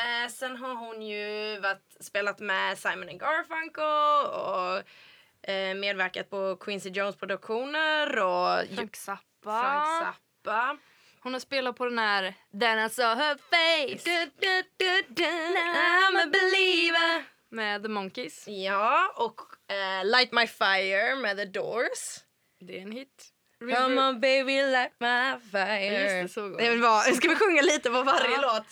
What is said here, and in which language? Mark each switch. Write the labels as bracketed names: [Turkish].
[Swedish] Sen har hon ju spelat med Simon & Garfunkel och medverkat på Quincy Jones produktioner och Frank Zappa. Hon har spelat på den här Then I Saw Her Face. Du, du, du, du, I'm a believer. Med The Monkees. Ja, och Light My Fire med The Doors. Det är en hit. [English] Come on baby, light my fire. [Swedish] Just det, så går det. Ska vi sjunga lite på varje låt?